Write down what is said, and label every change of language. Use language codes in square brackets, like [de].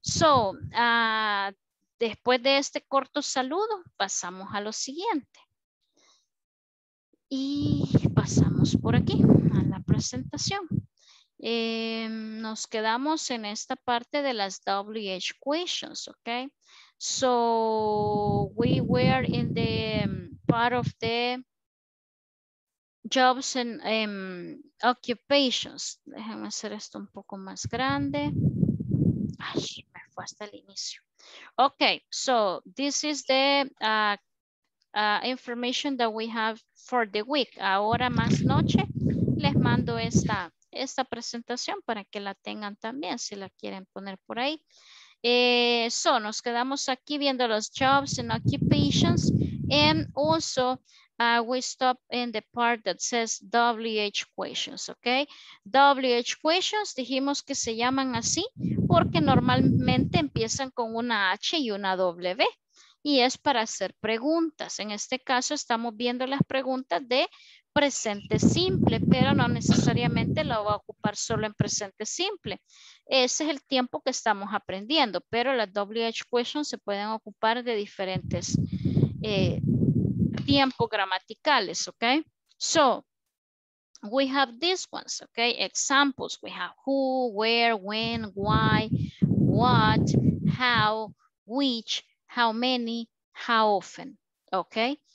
[es] So, después de este corto saludo, pasamos a lo siguiente. Y pasamos por aquí a la presentación. Nos quedamos en esta parte de las WH questions, ok. [en] So we were in the part of the jobs and occupations. [es] Déjenme hacer esto un poco más grande. Ay, me fue hasta el inicio. [en] Ok, so this is the information that we have for the week. [es] Ahora más noche les mando esta presentación para que la tengan también, si la quieren poner por ahí. [en] So, [es] nos quedamos aquí viendo los [en] jobs and occupations, and also we stop in the part that says WH questions, ok. [es] WH questions, dijimos que se llaman así porque normalmente empiezan con una H y una W, y es para hacer preguntas. En este caso estamos viendo las preguntas de presente simple, pero no necesariamente lo va a ocupar solo en presente simple. Ese es el tiempo que estamos aprendiendo, pero las WH questions se pueden ocupar de diferentes tiempos gramaticales, ¿ok? [en] So, we have these ones, ¿ok? Examples, we have who, where, when, why, what, how, which, how many, how often, ¿ok?